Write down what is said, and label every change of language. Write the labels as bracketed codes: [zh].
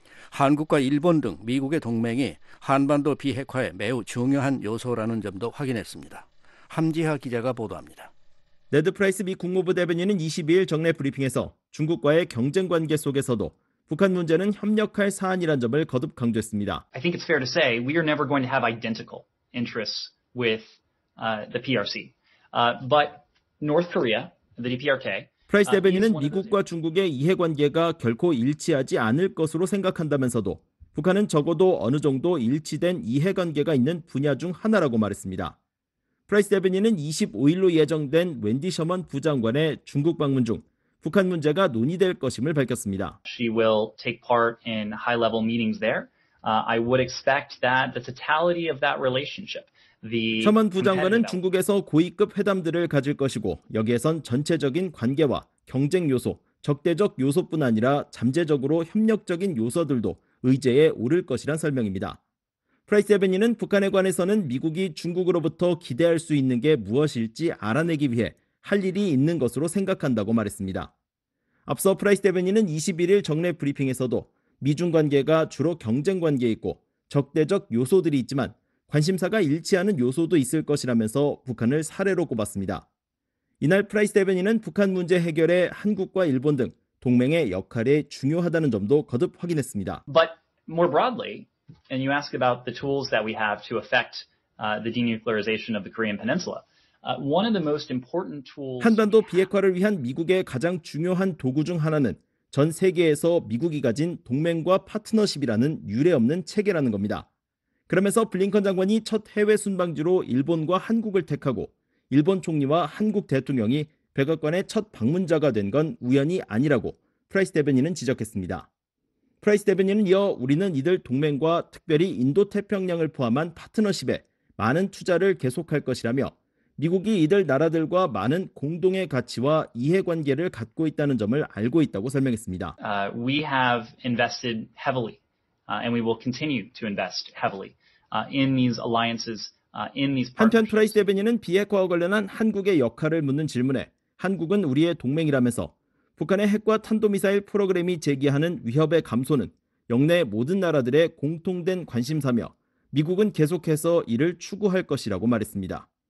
[ko] 한국과 일본 등 미국의 동맹이 한반도 비핵화에 매우 중요한 요소라는 점도 확인했습니다. 함지하 기자가 보도합니다. 네드 프라이스 미 국무부 대변인은 22일 정례 브리핑에서 중국과의 경쟁 관계 속에서도 북한 문제는 협력할 사안이란 점을 거듭 강조했습니다. [en] I think it's fair to say we are never going to have identical interests with the PRC. But North Korea, the DPRK [ko] 프라이스 대변인은 미국과 중국의 이해관계가 결코 일치하지 않을 것으로 생각한다면서도 북한은 적어도 어느 정도 일치된 이해관계가 있는 분야 중 하나라고 말했습니다. 프라이스 대변인은 25일로 예정된 웬디 셔먼 부장관의 중국 방문 중 북한 문제가 논의될 것임을 밝혔습니다. [en] She will take part in high-level meetings there. I would expect that the totality of that relationship [ko] 셔먼 부장관은 중국에서 고위급 회담들을 가질 것이고 여기에선 전체적인 관계와 경쟁 요소, 적대적 요소뿐 아니라 잠재적으로 협력적인 요소들도 의제에 오를 것이란 설명입니다. 프라이스 에베니는 북한에 관해서는 미국이 중국으로부터 기대할 수 있는 게 무엇일지 알아내기 위해 할 일이 있는 것으로 생각한다고 말했습니다. 앞서 프라이스 에베니는 21일 정례 브리핑에서도 미중 관계가 주로 경쟁 관계에 있고 적대적 요소들이 있지만 관심사가 일치하는 요소도 있을 것이라면서 북한을 사례로 꼽았습니다. 이날 프라이스 대변인은 북한 문제 해결에 한국과 일본 등 동맹의 역할이 중요하다는 점도 거듭 확인했습니다. [en] But more broadly, and you ask about the tools that we have to affect the denuclearization of the Korean Peninsula. One of the most important tools. [ko] 한반도 비핵화를 위한 미국의 가장 중요한 도구 중 하나는 전 세계에서 미국이 가진 동맹과 파트너십이라는 유례 없는 체계라는 겁니다. 그러면서 블링컨 장관이 첫 해외 순방지로 일본과 한국을 택하고 일본 총리와 한국 대통령이 백악관의 첫 방문자가 된 건 우연이 아니라고 프라이스 대변인은 지적했습니다. 프라이스 대변인은 이어 우리는 이들 동맹과 특별히 인도태평양을 포함한 파트너십에 많은 투자를 계속할 것이라며 미국이 이들 나라들과 많은 공동의 가치와 이해관계를 갖고 있다는 점을 알고 있다고 설명했습니다. [en] We have invested heavily and we will continue to invest heavily in these alliances. [ko] 한편 프라이스 대변인은 비핵화와 관련한 한국의 역할을 묻는 질문에 한국은 우리의 동맹이라면서 북한의 핵과 탄도미사일 프로그램이 제기하는 위협의 감소는 역내 모든 나라들의 공통된 관심사며 미국은 계속해서 이를 추구할 것이라고 말했습니다.